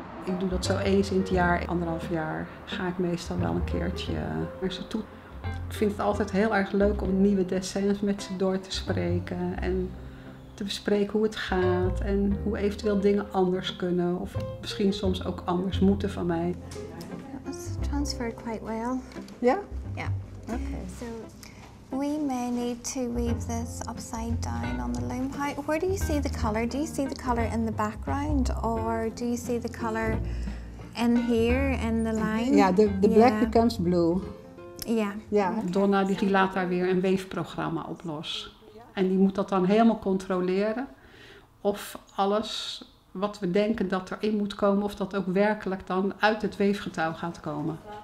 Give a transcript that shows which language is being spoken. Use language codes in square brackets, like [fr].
[nl] Ik doe dat zo eens in het jaar, anderhalf jaar ga ik meestal wel een keertje naar ze toe. Ik vind het altijd heel erg leuk om nieuwe dessins met ze door te spreken en te bespreken hoe het gaat en hoe eventueel dingen anders kunnen of misschien soms ook anders moeten van mij. [en] It's transferred quite well. Yeah? Yeah. Okay. So we may need to weave this upside down on the loom height. Where do you see the color? Do you see the color in the background or do you see the color in here in the line? Yeah, the black becomes blue. Yeah. Yeah. Okay. [nl] Donna die laat daar weer een weefprogramma op los. En die moet dat dan helemaal controleren of alles wat we denken dat erin moet komen, of dat ook werkelijk dan uit het weefgetouw gaat komen.